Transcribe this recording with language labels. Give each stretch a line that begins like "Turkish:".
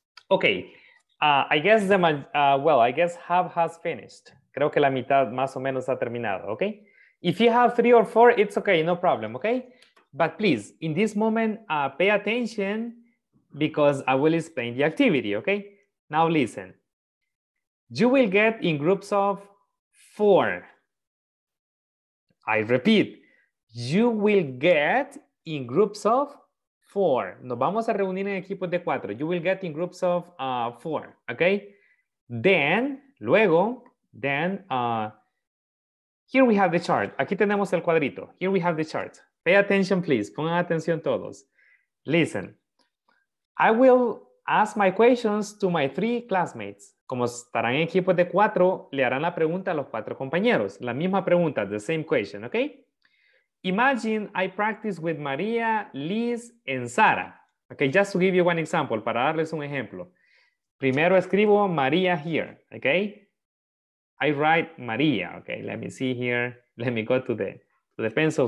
English: Okay, I guess the well, I guess half has finished.
Spanish: Creo que la mitad más o menos ha terminado, okay?
English: If you have three or four, it's okay, no problem, okay? But please, in this moment, pay attention because I will explain the activity, okay? Now listen. You will get in groups of four. I repeat, you will get in groups of four.
Spanish: Nos vamos a reunir en equipos de cuatro.
English: You will get in groups of four. Okay. Then, luego, then, here we have the chart.
Spanish: Aquí tenemos el cuadrito.
English: Here we have the chart. Pay attention, please.
Spanish: Pongan atención todos.
English: Listen. I will ask my questions to my three classmates.
Spanish: Como estarán en equipos de cuatro, le harán la pregunta a los cuatro compañeros. La misma pregunta,
English: the same question. Okay. Imagine I practice with Maria, Liz, and Sara. Okay, just to give you one example,
Spanish: para darles un ejemplo. Primero escribo
English: Maria here, okay? I write Maria, okay? Let me see here. Let me go to the pencil.